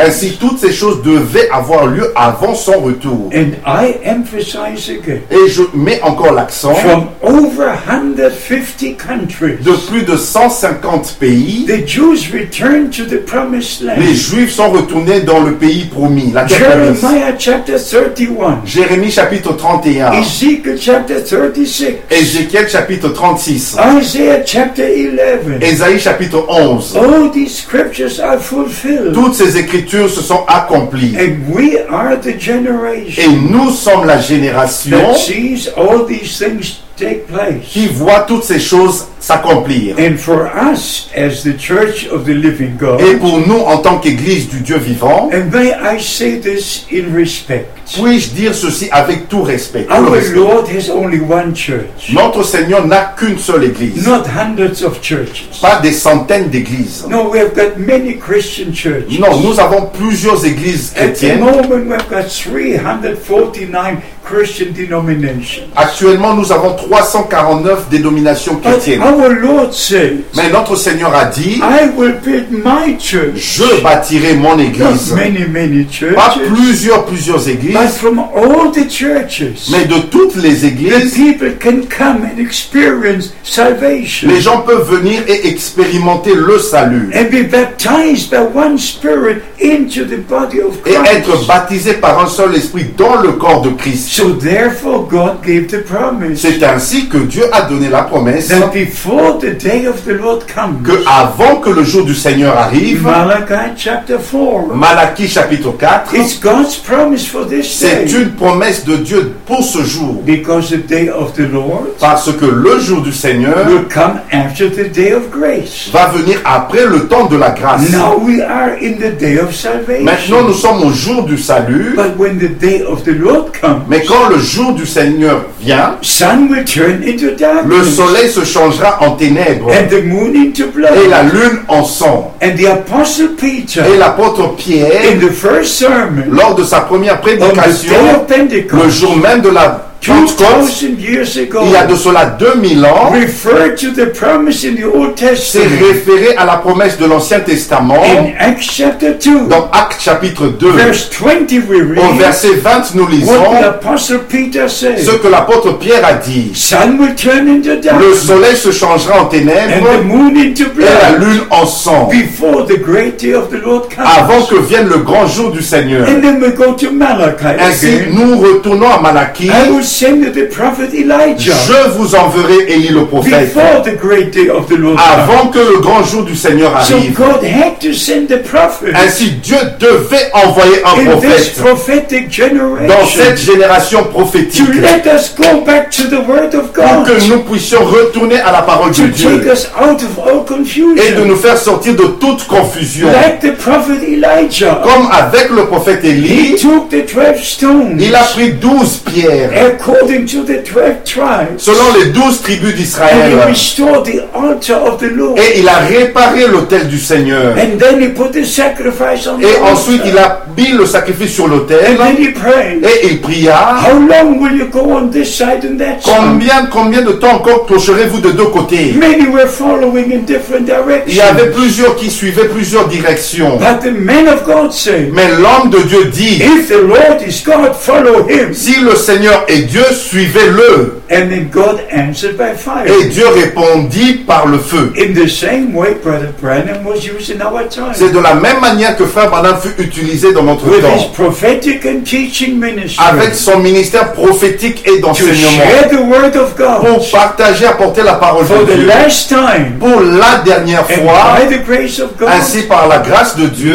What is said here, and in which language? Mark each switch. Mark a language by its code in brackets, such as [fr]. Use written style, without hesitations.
[fr] Ainsi toutes ces choses devaient avoir lieu avant son retour. [en] And I emphasize again. [fr] Et je mets encore l'accent. [en] From over 150 countries. [fr] De plus de 150 pays. [en] The Jews returned to the promised land. [fr] Les Juifs sont retournés dans le pays promis, la terre promise. [en] Jeremiah chapter 31. [fr] Jérémie chapitre 31. [en] Ezekiel chapter 36. [fr] Ézéchiel chapitre 36. [en] Isaiah chapter 11. [fr] Ésaïe chapitre 11. [en] All these scriptures are fulfilled. [fr] Toutes ces écritures se sont accomplies. [en] And we are the generation. [fr] Et nous sommes la génération. [en] That sees all these things take place. [fr] Qui voit toutes ces choses s'accomplir. [en] And for us as the church of the living God. [fr] Et pour nous en tant qu'église du Dieu vivant. [en] And may I say this in respect. [fr] Puis-je dire ceci avec tout respect? [en] Lord has only one church. [fr] Notre Seigneur n'a qu'une seule église. [en] Not hundreds of churches. [fr] Pas des centaines d'églises. [en] No, we have got many Christian churches. [fr] Non, nous avons plusieurs églises chrétiennes. [en] At the moment, we've got 349 Christian denominations. [fr] Actuellement, nous avons 349 dénominations chrétiennes. [en] But our Lord said, [fr] mais notre Seigneur a dit, [en] I will build my church. [fr] Je bâtirai mon église. [en] Many, many churches, [fr] pas plusieurs églises. [en] But from all the churches, [fr] mais de toutes les églises, [en] the people can come and experience salvation. [fr] Les gens peuvent venir et expérimenter le salut. [en] And be baptized by one spirit into the body of Christ. [fr] Et être baptisé par un seul esprit dans le corps de Christ. [en] So therefore God gave the promise. [fr] C'est ainsi que Dieu a donné la promesse. [en] That before the day of the Lord comes. [fr] Que avant que le jour du Seigneur arrive. [en] Malachi chapter 4. [fr] Malachi chapitre 4. [en] It's God's promise for this day. [fr] C'est une promesse de Dieu pour ce jour. [en] Because the day of the Lord. [fr] Parce que le jour du Seigneur. [en] Will come after the day of grace. [fr] Va venir après le temps de la grâce. [en] Now we are in the day of salvation. [fr] Maintenant nous sommes au jour du salut. [en] But when the day of the Lord comes. [fr] Mais quand le jour du Seigneur vient, [en] sun will turn into darkness, [fr] le soleil se changera en ténèbres, [en] and the moon into blood, [fr] et la lune en sang. [en] And the apostle Peter, [fr] et l'apôtre Pierre, [en] in the first sermon, [fr] lors de sa première prédication, [en] on the day of Pentecost, [fr] le jour même de la Pentecôte, il y a de cela 2000 ans, [en] refer to the promise in the Old Testament, [fr] s'est référé à la promesse de l'Ancien Testament. [en] In Acts chapter 2, [fr] dans Actes chapitre 2, [en] verse 20, we read, [fr] au verset 20, nous lisons [en] what the apostle Peter said, [fr] ce que l'apôtre Pierre a dit. [en] Sun will turn into darkness, [fr] le soleil se changera en ténèbres, [en] and the moon into blood, [fr] et la lune en sang, [en] before the great day of the Lord comes, [fr] avant que vienne le grand jour du Seigneur. [en] And then we go to Malachi again. [fr] Ainsi, nous retournons à Malachi. [en] Send the prophet Elijah. [fr] Je vous enverrai Élie le prophète. [en] Before the great day of the Lord. [fr] Avant que le grand jour du Seigneur arrive. [en] So God had to send the prophet. [fr] Ainsi Dieu devait envoyer un prophète. [en] In this prophetic generation. [fr] Dans cette génération prophétique. [en] To let us go back to the word of God. [fr] Pour que nous puissions retourner à la parole de Dieu. [en] To take us out of all confusion. [fr] Et de nous faire sortir de toute confusion. [en] Like the prophet Elijah. [fr] Comme avec le prophète Élie. [en] He took the 12 stones. [fr] Il a pris 12 pierres. [en] According to the 12 tribes, [fr] selon les 12 tribus d'Israël, [en] and he restored the altar of the Lord, [fr] et il a réparé l'autel du Seigneur, [en] and then he put the sacrifice on [fr] et [en] the altar, [fr] ensuite il a mis le sacrifice sur l'autel, [en] and then he prayed, [fr] et il pria. [en] How long will you go on this side and that side? [fr] Combien de temps encore pencherez-vous de deux côtés? [en] Many were following in different directions. [fr] Il y avait plusieurs qui suivaient plusieurs directions. [en] But the man of God said, [fr] mais l'homme de Dieu dit, [en] if the Lord is God, follow him. [fr] Si le Seigneur et Dieu suivait-le. [en] And then God answered by fire. [fr] Et Dieu répondit par le feu. [en] In the same way, Brother Branham was used in our time. [fr] C'est de la même manière que Frère Branham fut utilisé dans notre [en] with [fr] temps. [en] His prophetic and teaching ministry, [fr] avec son ministère prophétique et d'enseignement. [en] To share the word of God, [fr] pour partager, apporter la parole [en] for [fr] de [en] the [fr] Dieu. [en] Last time, [fr] pour la dernière fois. [en] And by the grace of God, [fr] ainsi par la grâce de Dieu.